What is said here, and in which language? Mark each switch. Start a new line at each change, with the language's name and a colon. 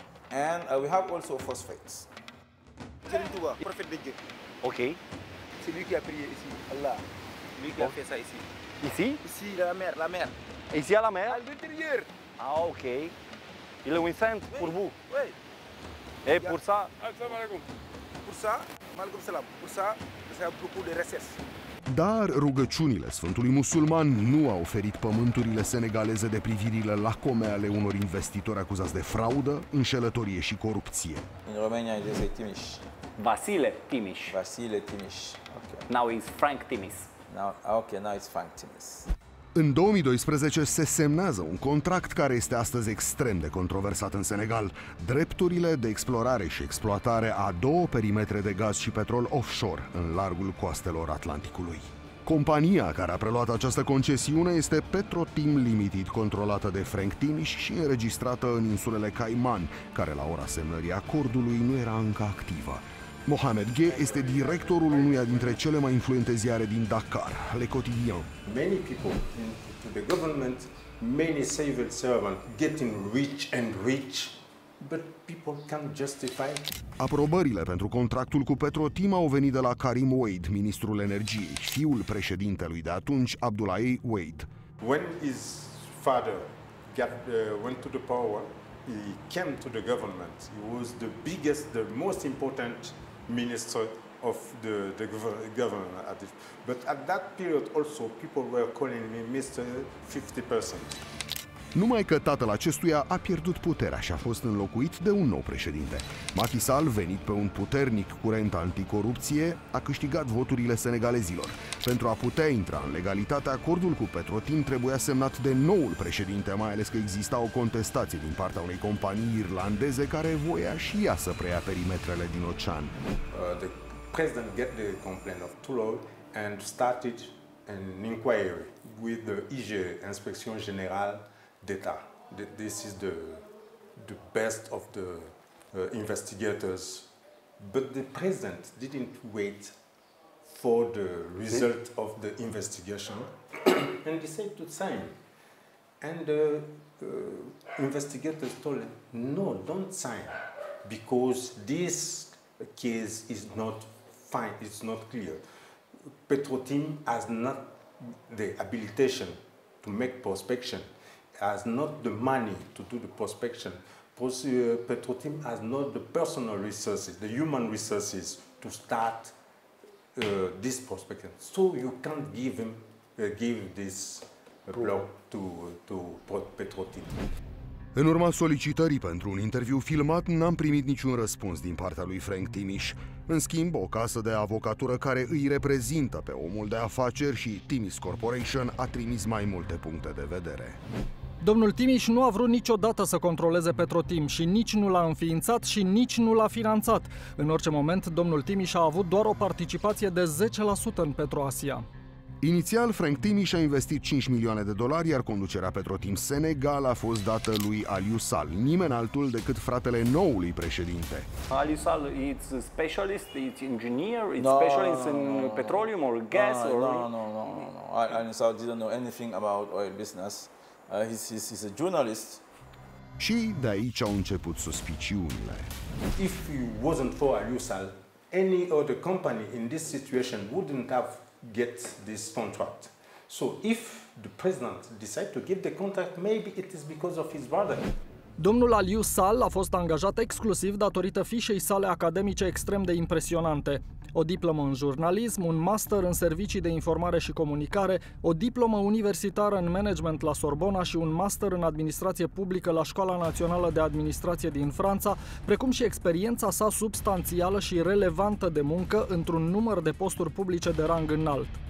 English: And we have also phosphates.
French: Tiens-toi, prophète de Dieu. OK. C'est lui qui a prié ici. Allah. Lui qui a fait ça ici. Ici? Ici, la mer. Ici à la mer? À l'intérieur. Ah, OK. Il est un saint pour vous. Oui. Et pour ça?
Arabic: Assalamu alaikum.
French: Pour ça?
Arabic: Malikum salam.
French: Pour ça, c'est beaucoup de recherche.
Romanian: Dar rugăciunile Sfântului Musulman nu au oferit pământurile senegaleze de privirile lacome ale unor investitori acuzați de fraudă, înșelătorie și corupție. În România este Timiș. Vasile Timiș. Vasile Timiș.
English: Okay. Now it's Frank Timiș. Now it's Frank Timiș.
Romanian: În 2012 se semnează un contract care este astăzi extrem de controversat în Senegal. Drepturile de explorare și exploatare a două perimetre de gaz și petrol offshore în largul coastelor Atlanticului. Compania care a preluat această concesiune este PetroTim Limited, controlată de Frank Timiș și înregistrată în insulele Caiman, care la ora semnării acordului nu era încă activă. Mohamed Ghe este directorul unuia dintre cele mai influente ziare din Dakar, Le Quotidien.
English: Many people in the government, many civil servants getting rich and rich, but people can't justify.
Romanian: Aprobările pentru contractul cu PetroTim au venit de la Karim Wade, ministrul energiei, fiul președintelui de atunci, Abdoulaye Wade.
English: When his father went to the power, he came to the government. He was the biggest, the most important minister of the government. But at that period also people were calling me Mr. 50%.
Romanian: Numai că tatăl acestuia a pierdut puterea și a fost înlocuit de un nou președinte. Macky Sall, venit pe un puternic curent anticorupție, a câștigat voturile senegalezilor. Pentru a putea intra în legalitate, acordul cu PetroTim trebuia semnat de noul președinte, mai ales că exista o contestație din partea unei companii irlandeze care voia și ea să preia perimetrele din ocean.
English: The president got the complaint of Toulon and started an inquiry with the IG, Inspection Générale d'État. This is the best of the investigators. But the president didn't wait for the result of the investigation and decided to sign. And the investigators told him, no, don't sign, because this case is not fine, it's not clear. PetroTim has not the habilitation to make prospection. Has not the money to do the prospection. PetroTim has not the personal resources, the human resources to start this prospection. So you can't give him give this block to PetroTim.
Romanian: În urma solicitării pentru un interviu filmat, n-am primit niciun răspuns din partea lui Frank Timiș. În schimb, o casă de avocatură care îi reprezintă pe omul de afaceri și Timiș Corporation a trimis mai multe puncte de vedere. Domnul Timiș nu a vrut niciodată să controleze PetroTim și nici nu l-a înființat și nici nu l-a finanțat. În orice moment, domnul Timiș a avut doar o participație de 10% în PetroAsia. Inițial, Frank Timiș a investit 5 milioane de dolari, iar conducerea PetroTim Senegal a fost dată lui Aliou Sall, nimeni altul decât fratele noului președinte.
English: Aliou Sall, it's a specialist, it's engineer, it's specialist in petroleum or gas or no. Aliou Sall didn't know anything about oil business. He's a journalist.
Romanian: Și de aici au început suspiciunile.
English: If it wasn't for Aliou Sall, any other company in this situation wouldn't have get this contract. So if the president decide to give the contract, maybe it is because of his brother.
Romanian: Domnul Aliou Sall a fost angajat exclusiv datorită fișei sale academice extrem de impresionante. O diplomă în jurnalism, un master în servicii de informare și comunicare, o diplomă universitară în management la Sorbona și un master în administrație publică la Școala Națională de Administrație din Franța, precum și experiența sa substanțială și relevantă de muncă într-un număr de posturi publice de rang înalt.